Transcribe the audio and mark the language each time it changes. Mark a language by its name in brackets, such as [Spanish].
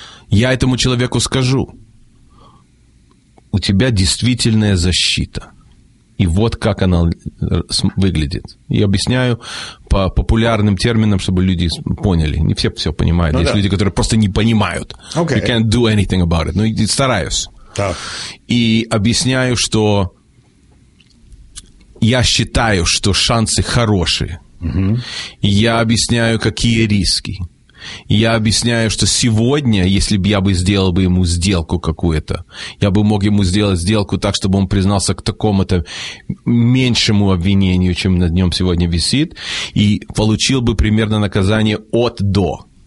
[Russian] Я этому человеку скажу, у тебя действительная защита. И вот как она выглядит. И объясняю по популярным терминам, чтобы люди поняли. Не все все понимают. Ну, есть люди, которые просто не понимают. [English] Okay. You can't do anything about it. [Russian] Но я стараюсь. Так. И объясняю, что я считаю, что шансы хорошие. Я объясняю, какие риски. Я объясняю, что сегодня, если бы я бы сделал бы ему сделку какую-то, я бы мог ему сделать сделку так, чтобы он признался к такому-то меньшему обвинению, чем над ним сегодня висит, и получил бы примерно наказание от до.